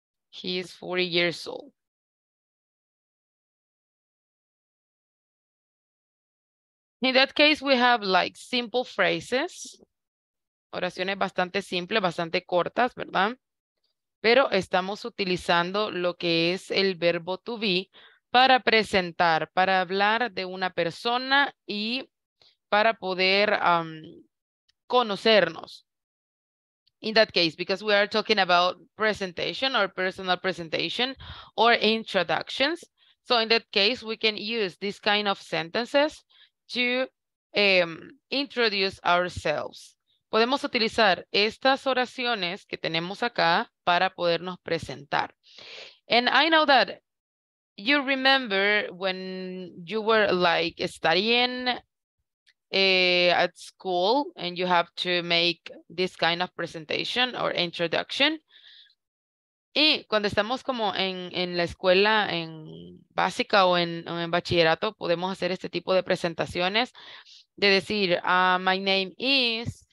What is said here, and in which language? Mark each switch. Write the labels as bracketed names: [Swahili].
[English] He is 40 years old. In that case, we have like simple phrases. [Spanish] Oraciones bastante simples, bastante cortas, ¿verdad? Pero estamos utilizando lo que es el verbo to be para presentar, para hablar de una persona y para poder conocernos. [English] In that case, because we are talking about presentation or personal presentation or introductions. So in that case, we can use this kind of sentences to introduce ourselves. [Spanish] Podemos utilizar estas oraciones que tenemos acá para podernos presentar. [English] And I know that you remember when you were like studying at school and you have to make this kind of presentation or introduction. [Spanish] Y cuando estamos como en la escuela, en básica o en bachillerato, podemos hacer este tipo de presentaciones de decir, [English] my name is...